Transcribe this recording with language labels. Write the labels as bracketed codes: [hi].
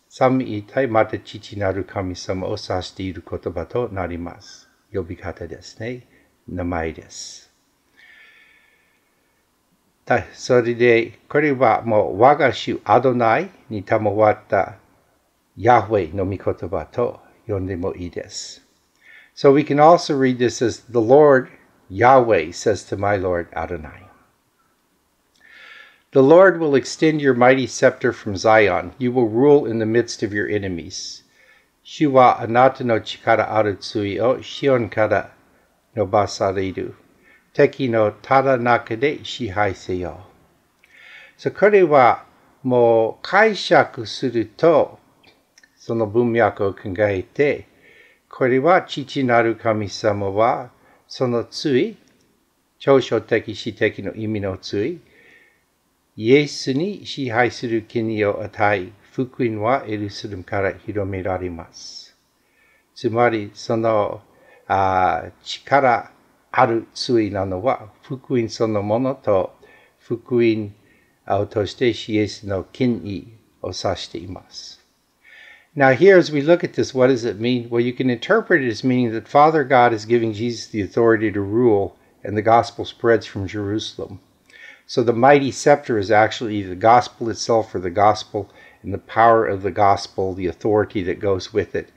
[ja] 三位一体また父なる神様を指している言葉となります。呼び方ですね。名前です。それでこれはもう我が主アドナイに賜ったヤウェの御言葉と呼んでもいいです。 [en] So we can also read this as the Lord Yahweh says to my Lord Adonai. The Lord will extend your mighty scepter from Zion. You will rule in the midst of your enemies. [ja] 主はあなたの力ある杖をシオンから伸ばされる。敵のただ中で支配せよ。 So これはもう解釈するとその文脈を考えて、これは父なる神様はその杖、長所的指摘の意味の杖、イエスに支配する権威を与え、福音はエルサレムから広められます。つまり、その力ある杖なのは、福音そのものと、福音を通してイエスの権威を指しています。 [en] Now here, as we look at this, what does it mean? Well, you can interpret it as meaning that Father God is giving Jesus the authority to rule, and the gospel spreads from Jerusalem. So the mighty scepter is actually the gospel itself, or the gospel and the power of the gospel, the authority that goes with it.